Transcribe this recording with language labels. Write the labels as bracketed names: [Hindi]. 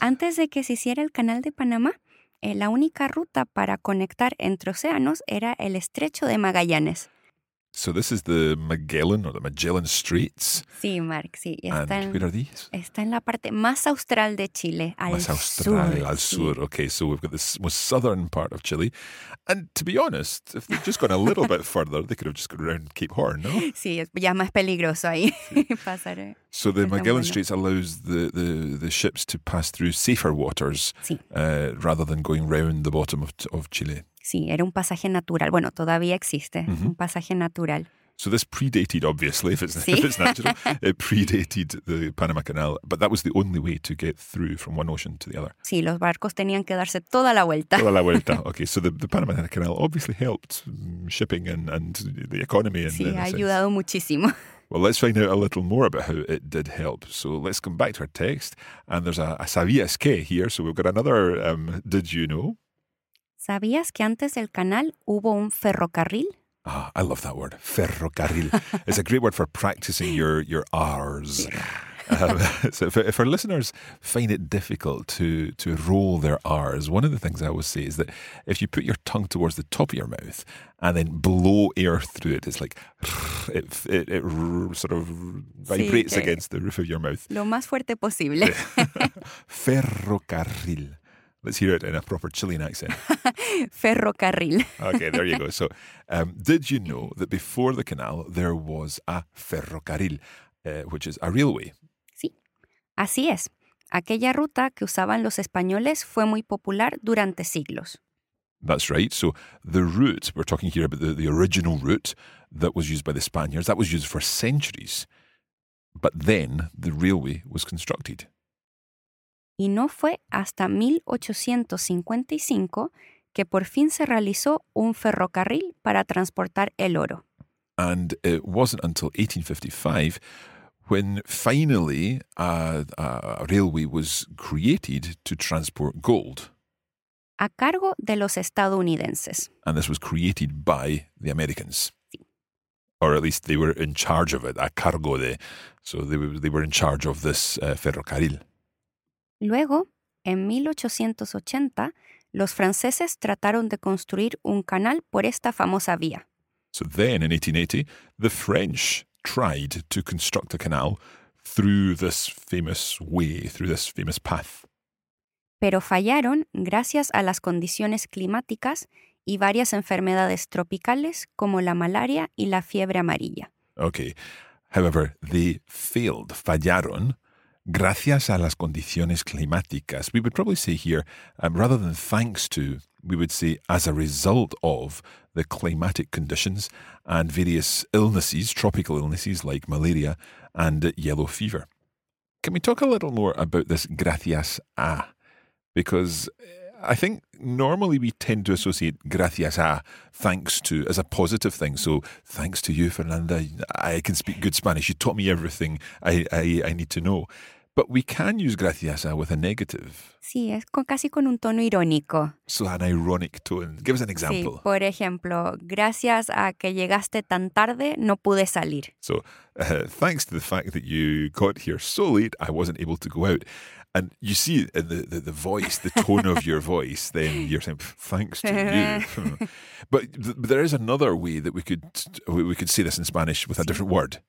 [Spanish] Antes de que se hiciera el canal de Panamá, la única ruta para conectar entre océanos era el Estrecho de Magallanes. [English] So this is the Magellan or the Magellan Straits. [Spanish] Sí, Mark, sí. [English] And where are these? [Spanish] Está en la parte más austral de Chile, al sur. Más austral, al sur. [English] Okay, so we've got this most southern part of Chile. And to be honest, if they'd just gone a little bit further, they could have just gone around Cape Horn, no? [Spanish] Sí, es ya más peligroso ahí pasar. [English] So the Magellan Straits allows the ships to pass through safer waters, [Spanish] sí. [English] Rather than going round the bottom of Chile. [Spanish] Sí, era un pasaje natural. Bueno, todavía existe, mm-hmm. un pasaje natural. [English] So this predated, obviously, if it's, [Spanish] ¿sí? [English] if it's natural, it predated the Panama Canal, but that was the only way to get through from one ocean to the other. [Spanish] Sí, los barcos tenían que darse toda la vuelta. Toda la vuelta, okay. [English] So the Panama Canal obviously helped shipping and the economy. And, [Spanish] sí, ha ayudado muchísimo. [English] Well, let's find out a little more about how it did help. So let's come back to our text. And there's a [Spanish] sabías que [English] here, so we've got another did you know. [Spanish] ¿Sabías que antes del canal hubo un ferrocarril? [English] Ah, I love that word, ferrocarril. It's a great word for practicing your R's. So if our listeners find it difficult to roll their R's, one of the things I always say is that if you put your tongue towards the top of your mouth and then blow air through it, it's like it sort of vibrates, [Spanish] sí, [English] against the roof of your mouth. [Spanish] Lo más fuerte posible. [English] Ferrocarril. Let's hear it in a proper Chilean accent. [Spanish] Ferrocarril. [English] Okay, there you go. So, did you know that before the canal, there was a ferrocarril, which is a railway? [Spanish] Sí, así es. Aquella ruta que usaban los españoles fue muy popular durante siglos. [English] That's right. So, the route, we're talking here about the original route that was used by the Spaniards, that was used for centuries. But then, the railway was constructed. [Spanish] Y no fue hasta 1855 que por fin se realizó un ferrocarril para transportar el oro. [English] And it wasn't until 1855 when finally a railway was created to transport gold. [Spanish] A cargo de los estadounidenses. [English] And this was created by the Americans. Or at least they were in charge of it, [Spanish] a cargo de. [English] So they were in charge of this ferrocarril. [Spanish] Luego, en 1880, los franceses trataron de construir un canal por esta famosa vía. [English] So then, in 1880, the French tried to construct a canal through this famous way, through this famous path. [Spanish] Pero fallaron gracias a las condiciones climáticas y varias enfermedades tropicales como la malaria y la fiebre amarilla. [English] Okay. However, they failed, fallaron. [Spanish] Gracias a las condiciones climáticas. [English] We would probably say here, rather than thanks to, we would say as a result of the climatic conditions and various illnesses, tropical illnesses like malaria and yellow fever. Can we talk a little more about this [Spanish] gracias a? [English] Because I think normally we tend to associate gracias a, thanks to, as a positive thing. So thanks to you, Fernanda, I can speak good Spanish. You taught me everything I need to know. But we can use [Spanish] gracias a [English] with a negative. [Spanish] Sí, es casi con un tono irónico. [English] So an ironic tone. Give us an example. [Spanish] Sí, por ejemplo, gracias a que llegaste tan tarde, no pude salir. [English] So thanks to the fact that you got here so late, I wasn't able to go out. And you see in the voice, the tone of your voice, then you're saying, thanks to you. But there is another way that we could say this in Spanish with a different word.